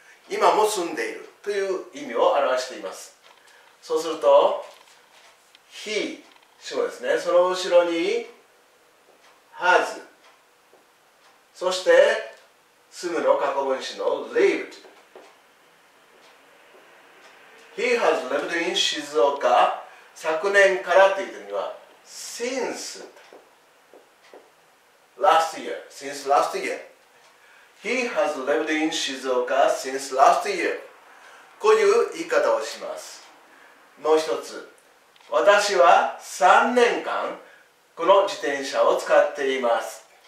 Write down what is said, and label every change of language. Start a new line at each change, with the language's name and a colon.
Japanese: 今も住んでいるという意味を表しています。そうすると He、 主語ですね、その後ろに Has、 そして住むの過去分詞の Lived。
English: He has lived in 静岡、
Japanese: 昨年からという意味は
English: Since last year、 Since last yearHe has lived in 静岡 since last year.
Japanese: こういう言い方をします。もう一つ。私は3年間この自転車を使っています。